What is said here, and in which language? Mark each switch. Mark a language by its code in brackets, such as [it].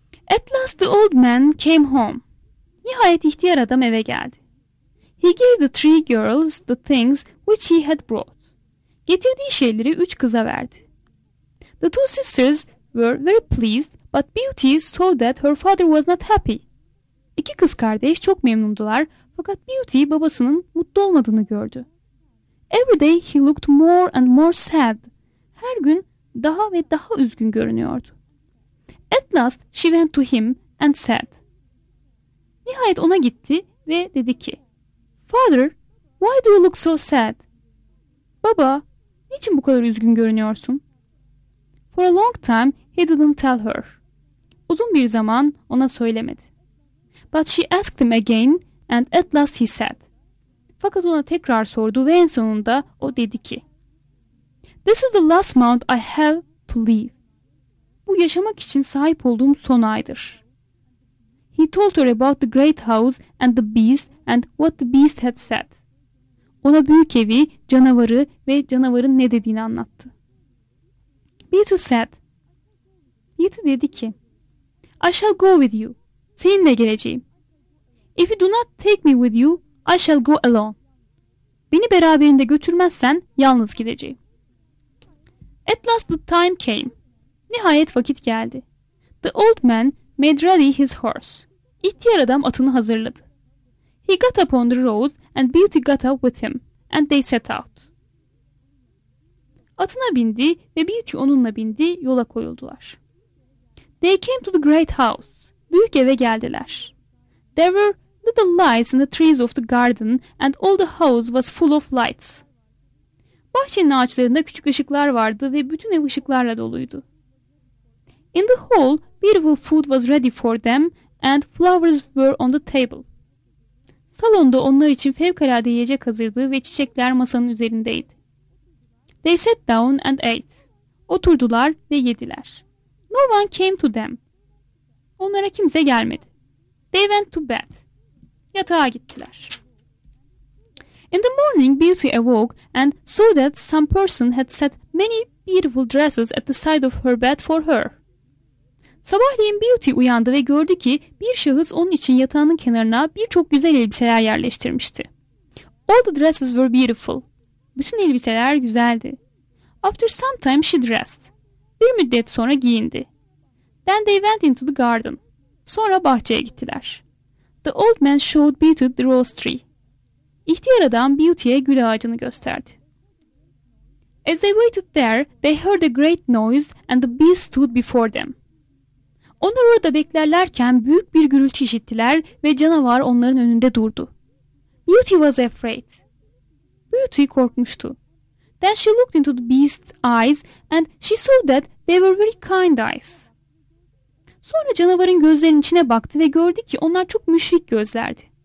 [en] At last the old man came home. [tr] Nihayet ihtiyar adam eve geldi. [en] He gave the three girls the things which he had brought. [tr] Getirdiği şeyleri üç kıza verdi. [en] The two sisters were very pleased, but Beauty saw that her father was not happy. [tr] İki kız kardeş çok memnundular, fakat Beauty babasının mutlu olmadığını gördü. [en] Every day he looked more and more sad. [tr] Her gün daha ve daha üzgün görünüyordu. [en] At last she went to him and said. [tr] Nihayet ona gitti ve dedi ki, [en] Father, why do you look so sad? [tr] Baba, niçin bu kadar üzgün görünüyorsun? [en] For a long time he didn't tell her. [tr] Uzun bir zaman ona söylemedi. [en] But she asked him again and at last he said. [tr] Fakat ona tekrar sordu ve en sonunda o dedi ki, [en] This is the last month I have to live. [tr] Bu yaşamak için sahip olduğum son aydır. [en] He told her about the great house and the beast and what the beast had said. [tr] Ona büyük evi, canavarı ve canavarın ne dediğini anlattı. [en] Beetle said. [tr] Beetle dedi ki, [en] I shall go with you. [tr] Seninle geleceğim. [en] If you do not take me with you, I shall go alone. [tr] Beni beraberinde götürmezsen yalnız gideceğim. [en] At last the time came. [tr] Nihayet vakit geldi. [en] The old man made ready his horse. [tr] İhtiyar adam atını hazırladı. [en] He got up on the road and Beauty got up with him and they set out. [tr] Atına bindi ve Beauty onunla bindi, yola koyuldular. [en] They came to the great house. [tr] Büyük eve geldiler. [en] There were little lights in the trees of the garden and all the house was full of lights. [tr] Bahçenin ağaçlarında küçük ışıklar vardı ve bütün ev ışıklarla doluydu. [en] In the hall, beautiful food was ready for them and flowers were on the table. [tr] Salonda onlar için fevkalade yiyecek hazırdı ve çiçekler masanın üzerindeydi. [en] They sat down and ate. [tr] Oturdular ve yediler. [en] No one came to them. [tr] Onlara kimse gelmedi. [en] They went to bed. [tr] Yatağa gittiler. [en] In the morning, Beauty awoke and saw that some person had set many beautiful dresses at the side of her bed for her. [tr] Sabahleyin Beauty uyandı ve gördü ki bir şahıs onun için yatağının kenarına birçok güzel elbiseler yerleştirmişti. [en] All the dresses were beautiful. [tr] Bütün elbiseler güzeldi. [en] After some time she dressed. [tr] Bir müddet sonra giyindi. [en] Then they went into the garden. [tr] Sonra bahçeye gittiler. [en] The old man showed Beauty the rose tree. [tr] İhtiyar adam Beauty'ye gül ağacını gösterdi. [en] As they waited there, they heard a great noise and the beast stood before them. [tr] Onlar orada beklerlerken büyük bir gürültü işittiler ve canavar onların önünde durdu. [en] Beauty was afraid. [tr] Beauty korkmuştu. [en] Then she looked into the beast's eyes and she saw that they were very kind eyes. [tr] Sonra canavarın gözlerinin içine baktı ve gördü ki onlar çok müşfik gözlerdi.